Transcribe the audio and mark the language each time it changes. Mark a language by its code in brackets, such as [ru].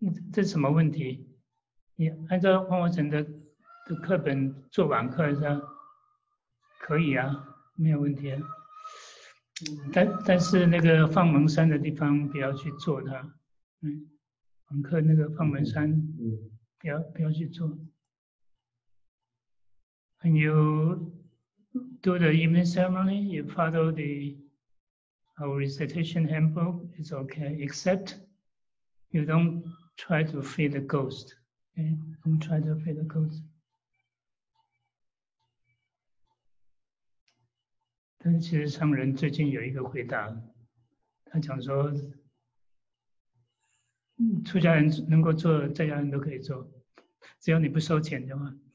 [zh] 这是什么问题？你按照万华城的课本做晚课是吧？可以啊，没有问题啊。但是那个放门山的地方不要去做它。晚课那个放门山不要去做。 [en] When you do the evening ceremony, you follow our recitation handbook, it's okay, except you don't. Try to feed the ghost. Okay, don't try to feed the ghost. [zh] 但是其实上人最近有一个回答，他讲说，出家人能够做，在家人都可以做，只要你不收钱的话。